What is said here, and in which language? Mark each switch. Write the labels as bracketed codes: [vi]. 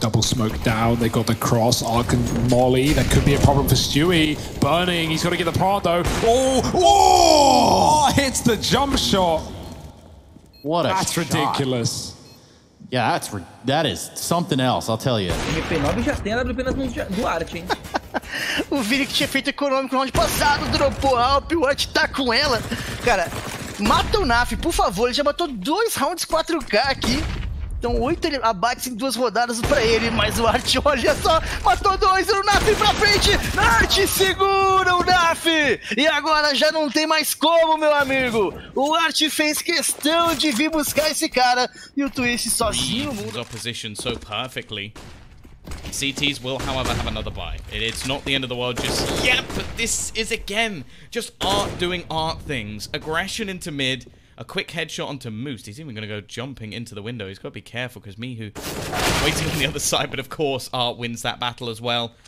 [en] Double smoke down. They got the cross. Ark and Molly. That could be a problem for Stewie. Burning. He's got to get the part, though. Oh, hits the jump shot. What a shot. That's ridiculous. Yeah, that's that is something else, I'll tell you. [pt] MP9 já tem a WP nas mãos do Art, hein? O Vini que tinha feito econômico no round passado, dropou a AWP, o Art tá com ela. Cara, mata o Naf, por favor, ele já matou 2 rounds 4K aqui. Então 8 abates em 2 rodadas pra ele, mas o Art, olha só, matou 2, o Naf pra frente! Art, segura o Naf! E agora já não tem mais como, meu amigo! O Art fez questão de vir buscar esse cara, e o Twist sozinho... ... [en] mudou a posição tão perfeitamente. CTs will, however, have another buy. It's not the end of the world just yet, but this is, again, just Art doing Art things. Aggression into mid, a quick headshot onto Moose. He's even going to go jumping into the window. He's got to be careful, because Mihu waiting on the other side, but of course Art wins that battle as well.